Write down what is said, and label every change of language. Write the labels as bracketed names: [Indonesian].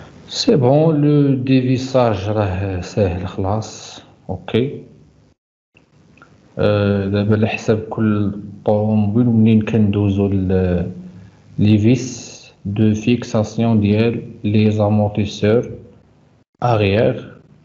[French] C'est bon, le dévissage c'est le خلاص. OK. [Arabic] دابا على حساب كل طوموبيل منين كندوزو [French] les vis de fixation d'hier, les amortisseurs arrière.